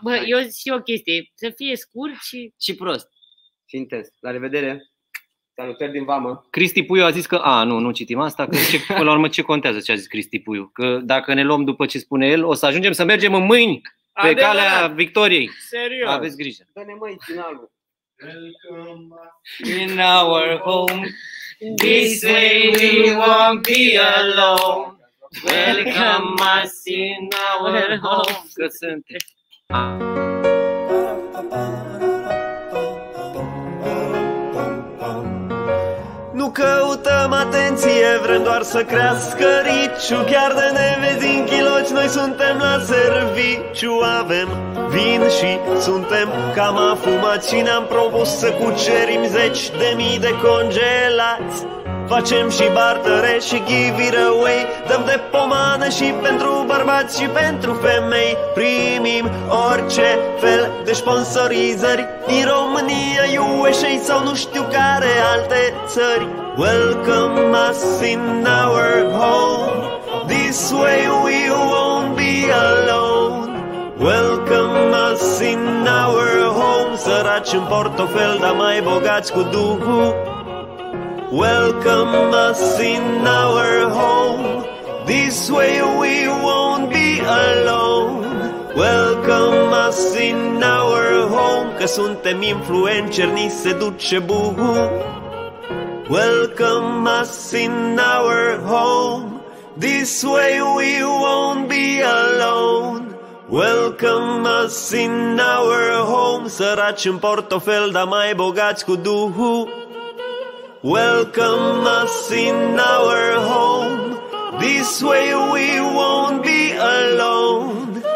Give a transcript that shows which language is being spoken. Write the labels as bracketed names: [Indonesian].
[Romanian] Bă, eu și o chestie. Să fie scurt și... Și prost. Și intens. La revedere. Salutări din vamă. Cristi Puiu a zis că... A, nu, nu citim asta. Că ce, până la urmă, ce contează ce a zis Cristi Puiu? Că dacă ne luăm după ce spune el, o să ajungem să mergem în mâini pe adevărat, calea victoriei. Serios. Aveți grijă. Dă-ne mai finalul. [English] Welcome in our home, this way we won't be alone. Welcome us in our home. [Romanian] Că suntem. Nu căutăm atenție, vrem doar să crească riciu. Chiar de ne vezi în chiloci, noi suntem la serviciu. Avem vin și suntem cam afumați și ne-am propus să cucerim 10.000 de congelați. Facem și bartere și [English] give it away. [Romanian] Dăm de pomană și pentru bărbați și pentru femei. Primim orice fel de sponsorizări din România, USA sau nu știu care alte țări. [English] Welcome us in our home, this way we won't be alone. Welcome us in our home. [Romanian] Săraci în portofel, dar mai bogați cu duhul. [English] Welcome us in our home, this way we won't be alone. Welcome us in our home, [Romanian] că suntem influenceri, ni se duce buhu. [English] Welcome us in our home, this way we won't be alone. Welcome us in our home, [Romanian] săraci în portofel, dar mai bogați cu duhu. [English] Welcome us in our home, this way we won't be alone.